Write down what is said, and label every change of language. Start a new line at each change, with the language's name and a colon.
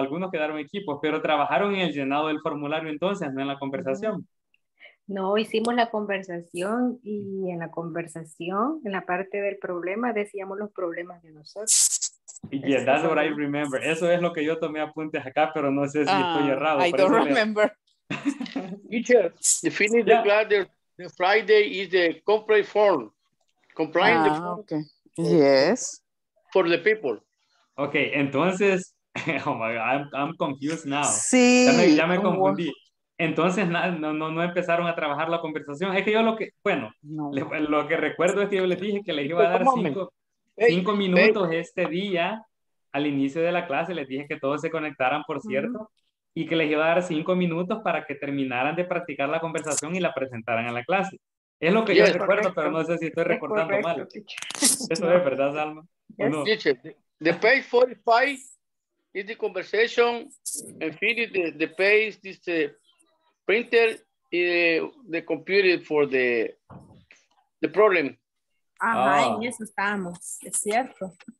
Spanish: Algunos quedaron equipos, pero trabajaron en el llenado del formulario entonces, no en la conversación. No, hicimos la conversación y en la conversación, en la parte del problema, decíamos los problemas de nosotros.
English: Yeah, that's what I remember.
Spanish: Eso es lo que yo tomé apuntes acá, pero no sé si estoy errado.
English: I don't remember. Teacher, the finish the class, the Friday is the complaint form. Complaint the form. Okay. Yes. For the people. Ok, entonces, oh my God, I'm confused now.
Spanish: Sí. Ya me confundí. Entonces, no empezaron a trabajar la conversación. Es que yo lo que recuerdo es que yo les dije que les iba a dar cinco minutos este día, al inicio de la clase, les dije que todos se conectaran, por cierto, uh-huh. Y que les iba a dar 5 minutos para que terminaran de practicar la conversación y la presentaran a la clase. Es lo que yo recuerdo, pero no sé si estoy recordando mal. Eso es verdad, Salma.
English: The page 45 is the conversation and finish the page is the printer and the computer for the problem.
Spanish: Ajá, en eso estamos, es cierto.